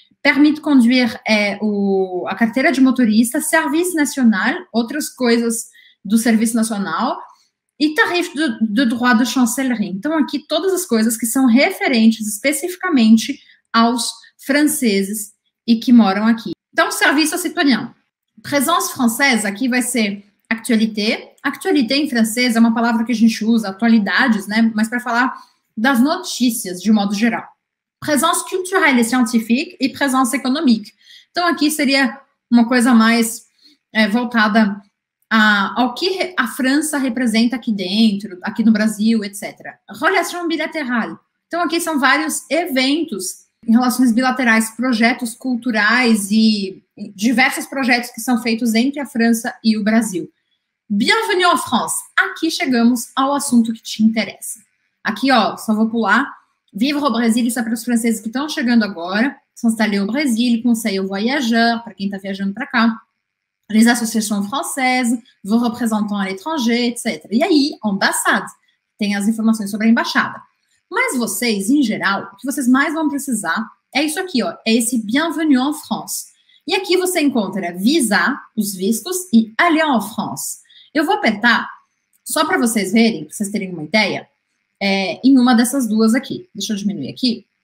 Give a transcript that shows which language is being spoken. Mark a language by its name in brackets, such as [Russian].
[Portuguese] permite conduzir a carteira de motorista, serviço nacional, outras coisas do serviço nacional e tarifa do [French] droit de chancellerie. [Portuguese] Então, aqui, todas as coisas que são referentes especificamente aos franceses e que moram aqui. Então, serviço à citoyen. [French] Présence française, [Portuguese] aqui vai ser actualité. Actualité em francês é uma palavra que a gente usa, atualidades, né? Mas para falar das notícias, de modo geral. [French] Présence culturelle et scientifique e présence économique. [Portuguese] Então, aqui seria uma coisa mais voltada ao que a França representa aqui dentro, aqui no Brasil, etc. [French] Relation bilatérale. [Portuguese] Então, aqui são vários eventos em relações bilaterais, projetos culturais e diversos projetos que são feitos entre a França e o Brasil. [French] Bienvenue en France. [Portuguese] Aqui chegamos ao assunto que te interessa. Aqui, ó, só vou pular. [French] Vivre au Brésil, [Portuguese] isso é para os franceses que estão chegando agora. [French] S'installer au Brésil, conseil voyageur, [Portuguese] para quem está viajando para cá. [French] Les associations françaises, vos représentants à l'étranger, etc. [Portuguese] E aí, ambassade, tem as informações sobre a embaixada. Mas vocês, em geral, o que vocês mais vão precisar é isso aqui, ó, é esse [French] Bienvenue en France. [Portuguese] E aqui você encontra Visa, os vistos, e [French] Aller en France. [Portuguese] Eu vou apertar, só para vocês verem, para vocês terem uma ideia, em uma dessas duas aqui. Deixa eu diminuir aqui.